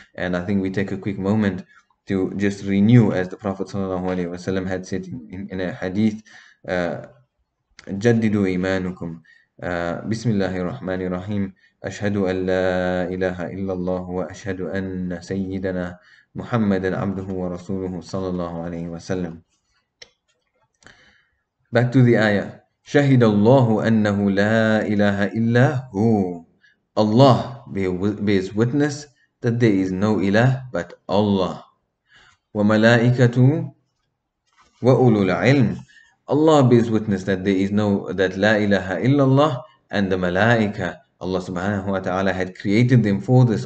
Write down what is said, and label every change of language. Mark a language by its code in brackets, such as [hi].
[en] And I think we take a quick moment to just renew, as the Prophet sallallahu alaihi wasallam had said in a hadith, [ar] جددوا إيمانكم بسم الله الرحمن الرحيم أشهد أن لا إله إلا الله وأشهد أن سيدنا محمد عبده ورسوله صلى الله عليه وسلم. [en] Back to the ayah. [ar] شهد الله أنه لا إله إلا هو. [en] Allah bears witness that there is no إله but Allah. [ar] وملائكته وأولو العلم. [en] Allah bears witness that there is no, that la ilaha illallah, and the malaika, Allah subhanahu wa ta'ala had created them for this.